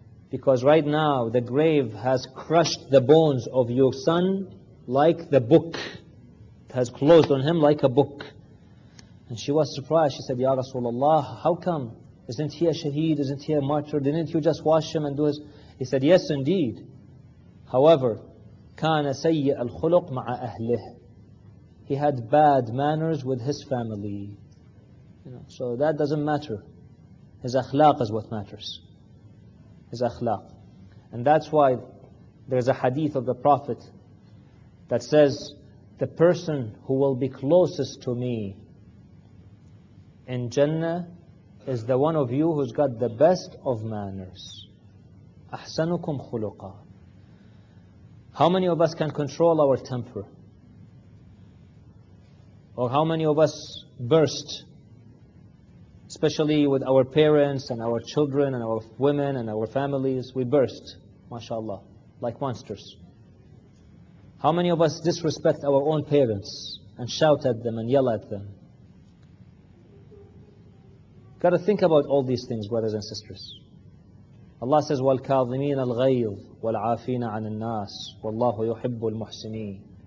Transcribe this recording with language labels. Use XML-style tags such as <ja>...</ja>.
<en>Because right now the grave has crushed the bones of your son like the book. It has closed on him like a book. And she was surprised. She said, Ya Rasulullah, how come? Isn't he a shaheed? Isn't he a martyr? Didn't you just wash him and do his... He said, yes indeed. However,</en> <ar>كَانَ سَيِّئَ الْخُلُقْ مَعَ أَهْلِهِ.</ar> <en>He had bad manners with his family. You know, so that doesn't matter. His akhlaq is what matters. His akhlaq. And that's why there's a hadith of the Prophet that says, the person who will be closest to me in Jannah is the one of you who's got the best of manners.</en> <ar>أحسنكم خلقا.</ar> <en>How many of us can control our temper? Or how many of us burst, especially with our parents and our children and our women and our families, we burst, mashallah, like monsters. How many of us disrespect our own parents and shout at them and yell at them? Got to think about all these things, brothers and sisters. Allah says,</en> <ar>وَالْكَاظِمِينَ الْغَيْظِ وَالْعَافِينَ عَنِ النَّاسِ وَاللَّهُ يُحِبُّ الْمُحْسِنِينَ.</ar>